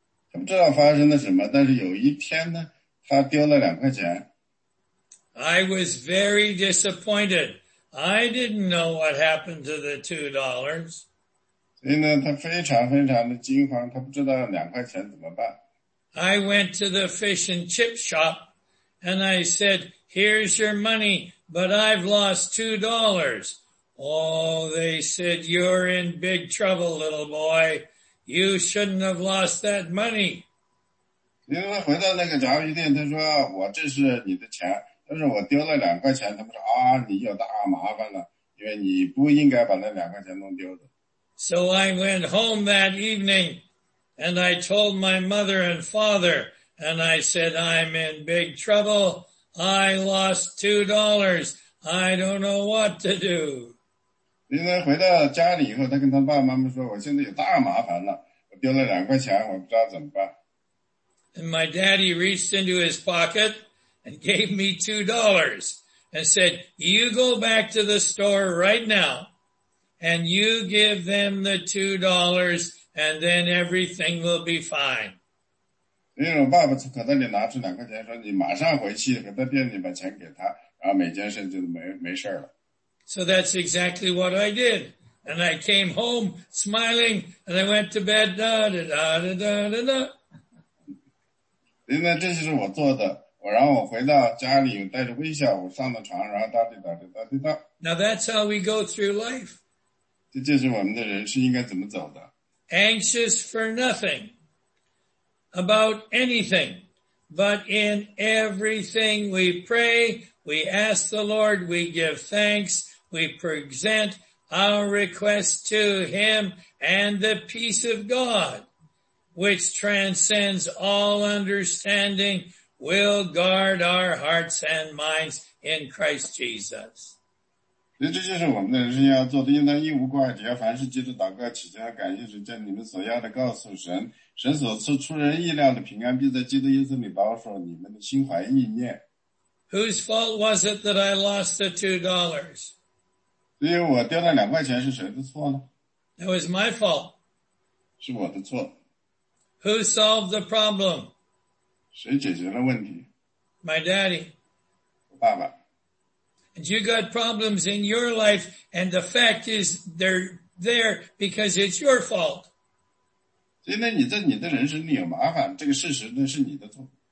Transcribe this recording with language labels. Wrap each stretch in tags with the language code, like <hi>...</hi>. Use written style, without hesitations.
<zh>他不知道发生了什么，但是有一天呢，他丢了两块钱。</zh> <en>I was very disappointed. I didn't know what happened to the $2.</en> <zh>所以呢，他非常非常的惊慌，他不知道两块钱怎么办。</zh> <en>I went to the fish and chip shop, and I said, "Here's your money, but I've lost $2." Oh, they said, "You're in big trouble, little boy. You shouldn't have lost that money."</en> <zh>因为他回到那个炸鱼店，他说：“我这是你的钱，但是我丢了两块钱。” 他们说：“啊，你有大麻烦了，因为你不应该把那两块钱弄丢的。”</zh> <en>So I went home that evening and I told my mother and father and I said, "I'm in big trouble. I lost $2. I don't know what to do."</en> <zh>因为回到家里以后，他跟他爸爸妈妈说，我现在有大麻烦了，我丢了两块钱，我不知道怎么办。</zh> <en>And my daddy reached into his pocket and gave me $2 and said, "You go back to the store right now. And you give them the $2, and then everything will be fine."</en> <zh>因为我爸爸从口袋里拿出两块钱，说你马上回去和他店里把钱给他，然后每件事就没事了。</zh> <en>So that's exactly what I did. And I came home smiling, and I went to bed, da da da da da da da.</en> <zh>因为这就是我做的。我然后我回到家里，带着微笑，我上了床，然后哒滴哒滴哒滴哒。</zh> <en>Now that's how we go through life.</en> <zh>这就是我们的人生应该怎么走的。</zh> <en>Anxious for nothing, about anything, but in everything we pray, we ask the Lord, we give thanks, we present our requests to Him, and the peace of God, which transcends all understanding, will guard our hearts and minds in Christ Jesus.</en> <zh>所以这就是我们的人生要做的，应当一无挂碍，只要凡事借着祷告、祈求和感谢时，将你们所要的告诉神。神所赐出人意料的平安，必在基督耶稣里保守你们的心怀意念。</zh> <en>Whose fault was it that I lost the $2?</en> <zh>因为我丢了两块钱，是谁的错呢</zh> <en>？It was my fault.</en> <zh>是我的错。</zh> <en>Who solved the problem?</en> <zh>谁解决了问题</zh> <en>？My daddy.</en> <zh>我爸爸。</zh> <en>And you got problems in your life, and the fact is they're there because it's your fault.</en> <zh>今天你在你的人生里有麻烦，这个事实那是你的错。</zh>